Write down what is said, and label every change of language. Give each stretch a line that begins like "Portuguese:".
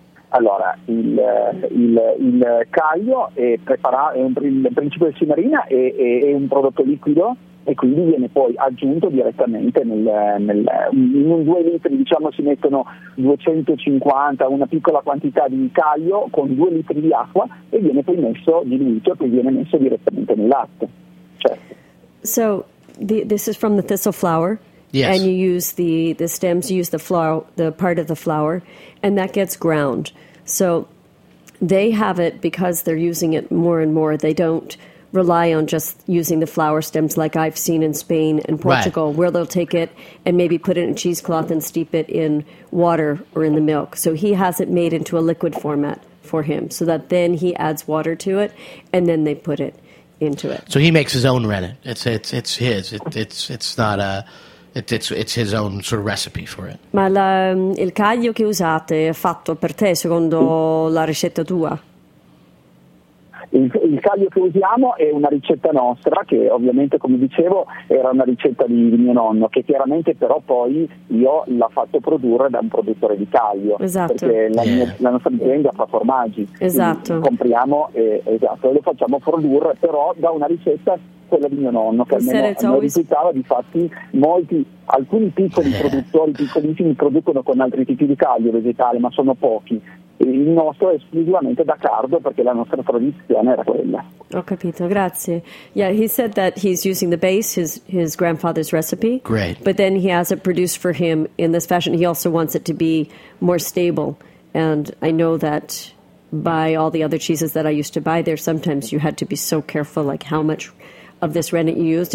Italian: Allora, il caglio è preparato, il principio di cinarina è un prodotto liquido e quindi viene poi aggiunto direttamente in 2 litri, diciamo si mettono 250, una piccola quantità di caglio con 2 litri di acqua e viene poi messo, diluito, e poi viene messo direttamente nel latte. Certo.
English: So, this is from the thistle flower? Yes. And you use the stems, you use the flower, the part of the flower, and that gets ground. So they have it because they're using it more and more. They don't rely on just using the flower stems like I've seen in Spain and Portugal, right, where they'll take it and maybe put it in cheesecloth and steep it in water or in the milk. So he has it made into a liquid format for him so that then he adds water to it and then they put it into it. So he makes his own rennet. It's his. It's not a... It's his own sort of recipe for it.
Italian: Ma il caglio che usate è fatto per te secondo la ricetta tua? Il caglio che usiamo è una ricetta nostra, che ovviamente, come dicevo, era una ricetta di mio nonno, che chiaramente però poi io l'ho fatto produrre da un produttore di caglio. Esatto. Perché la nostra azienda fa formaggi. Esatto. Compriamo e lo facciamo produrre però da una ricetta, quella di mio nonno, che almeno mi risultava, difatti alcuni piccoli produttori, piccolissimi, producono con altri tipi di caglio vegetale, ma sono pochi. Il nostro è esclusivamente da cardo, perché la nostra tradizione era quella. Ho capito, grazie.
English: Yeah, he said that he's using the base, his grandfather's recipe. Great. But then he has it produced for him in this fashion. He also wants it to be more stable. And I know that by all the other cheeses that I used to buy there, sometimes you had to be so careful, like how much of this rennet you used.